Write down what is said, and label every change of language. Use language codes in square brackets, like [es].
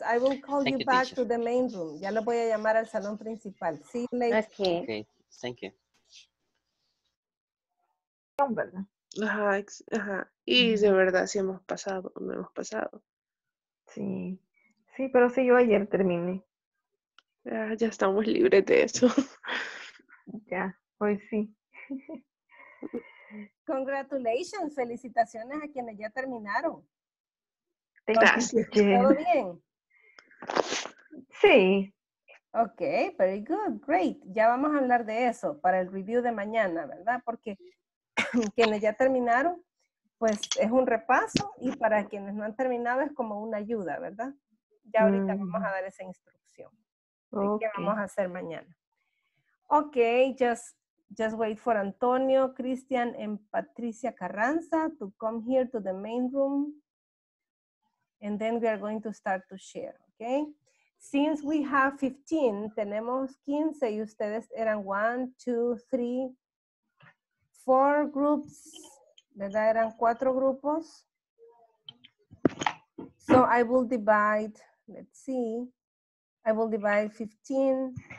[en] I will call you back teacher. To the main room. [es] Ya lo voy a llamar al salón principal. [en] See you later. Okay. Okay. Thank you. [es] ¿Verdad? Ajá, ajá. Y mm-hmm. de verdad, sí hemos pasado, no hemos pasado. Sí. Sí, pero sí, yo ayer terminé. Ah, ya estamos libres de eso. Ya, hoy sí. Congratulations, felicitaciones a quienes ya terminaron. Gracias. ¿Todo bien? Sí. [en] Ok, very good, great. [es] Ya vamos a hablar de eso para el review de mañana, ¿verdad? Porque quienes ya terminaron, pues es un repaso y para quienes no han terminado es como una ayuda, ¿verdad? Ya ahorita vamos a dar esa instrucción. Okay. ¿Qué vamos a hacer mañana? [en] Ok, just wait for Antonio, Cristian, and Patricia Carranza to come here to the main room. And then we are going to start to share, okay? Since we have 15, [es] tenemos 15 y ustedes eran [en] 1, 2, 3, 4 groups, ¿verdad? [es] Eran 4 grupos. [en] So I will divide, let's see, I will divide 15.